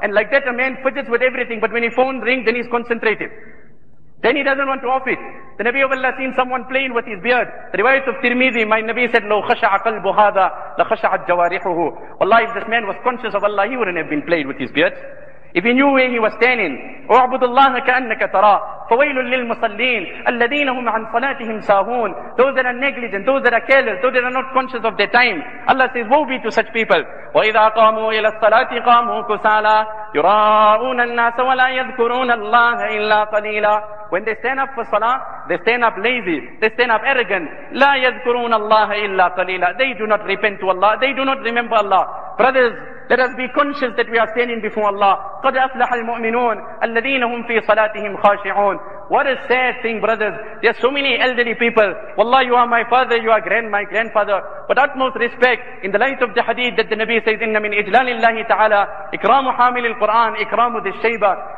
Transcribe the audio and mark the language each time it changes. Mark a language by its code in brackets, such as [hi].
[en] And like that a man fidgets with everything, but when his phone rings, then he's concentrated. Then he doesn't want to off it. The Nabi of Allah seen someone playing with his beard. The riwayat of Tirmidhi, my Nabi said, [ar] لو خشع قلب هذا لخشع الجوارحه. [en] Wallahi, if this man was conscious of Allah, he wouldn't have been playing with his beard. If he knew where he was standing, [ar] أعبد الله كأنك ترى فويل للمصلين الذين هم عن صلاتهم ساهون. [en] Those that are negligent, those that are careless, those that are not conscious of their time. Allah says, woe be to such people. [ar] وإذا قاموا إلى الصلاة قاموا كسالى يراءون الناس ولا يذكرون الله إلا قليلا. [en] When they stand up for salah, they stand up lazy, they stand up arrogant. [ar] لا يذكرون الله إلا قليلا. [en] They do not repent to Allah, they do not remember Allah. Brothers, let us be conscious that we are standing before Allah. [ar] قَدْ أَفْلَحَ الْمُؤْمِنُونَ الَّذِينَ هُمْ فِي صَلَاتِهِمْ خَاشِعُونَ. [en] What a sad thing, brothers. There are so many elderly people. Wallah, you are my father, you are my grandfather. But utmost respect, in the light of the hadith that the Nabi says, [ar] إِنَّ مِنْ إِجْلَالِ اللَّهِ تَعَالَى إِكْرَامُ حَامِلِ الْقُرْآنِ إِكْرَامُ ذِي الشَّيْبَى.